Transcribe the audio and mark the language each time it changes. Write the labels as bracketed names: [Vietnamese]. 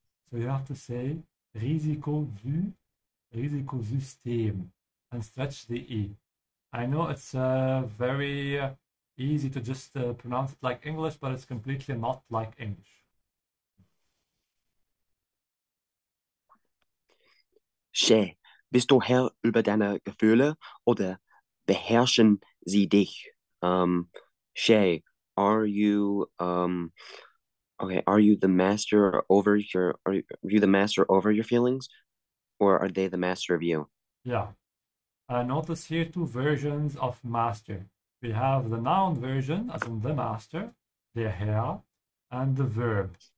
[English] So you have to say Risikosystem and stretch the E. I know it's very easy to just pronounce it like English, but it's completely not like English. [German] Che, bist du Herr über deine Gefühle oder beherrschen sie dich? [English] Are you the master over your feelings, or are they the master of you? Yeah, I notice here two versions of master. We have the noun version, as in the master, der Herr, and the verb.